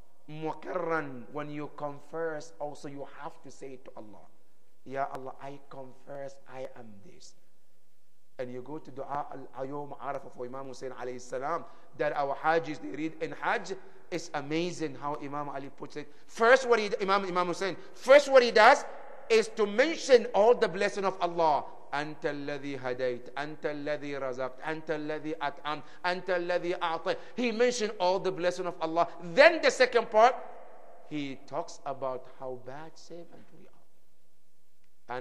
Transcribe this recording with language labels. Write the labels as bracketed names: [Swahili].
[English] Muqirran, when you confess, also you have to say it to Allah. Ya Allah, I confess, I am this. And you go to Dua al-Ayom Arafah for Imam Hussein alayhi salam, that our Hajjis, they read in Hajj. It's amazing how Imam Ali puts it. First, what he, Imam Hussein, first what he does is to mention all the blessing of Allah. [Arabic] أنت الذي هديت أنت الذي رزقت أنت الذي أطعمت أنت الذي أعطيت. [English] He mentioned all the blessing of Allah. Then the second part, he talks about how bad servant we are.